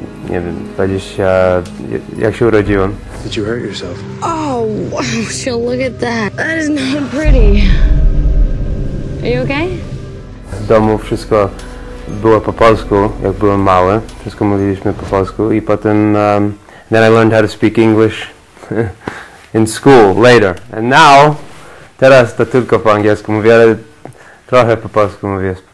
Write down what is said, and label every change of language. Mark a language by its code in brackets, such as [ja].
[pl] Nie wiem, powiedzieć jak się urodziłem. [en] Did you hurt yourself? Oh, wow, so look at that. That is not pretty. Are you okay? [pl] W domu wszystko było po polsku, jak byłem mały. Wszystko mówiliśmy po polsku i potem... [en] Then I learned how to speak English in school later. And now, [pl] teraz to tylko po angielsku mówię, ale trochę po polsku mówię.